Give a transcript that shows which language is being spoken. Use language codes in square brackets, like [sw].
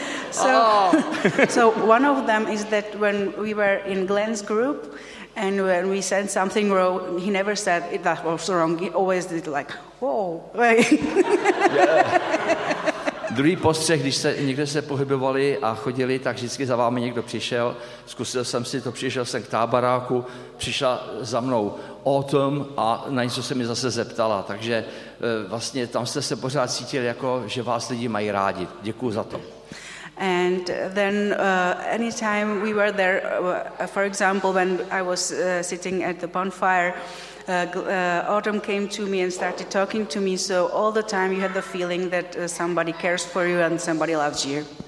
[en] So one of them is that when we were in Glen's group and when we said something wrong, he never said it, that was wrong. He always did like, whoa. [cs] Druhý postřeh, když se někde se pohybovali a chodili, tak vždycky za vámi někdo přišel. Zkusil jsem si to, přišel jsem k tábaráku, přišla za mnou Autumn a na něco se mi zase zeptala. Takže vlastně tam jste se pořád cítili, jako, že vás lidi mají rádi. Děkuju za to. [en] And then anytime we were there, for example, when I was sitting at the bonfire, Autumn came to me and started talking to me. So all the time you had the feeling that somebody cares for you and somebody loves you.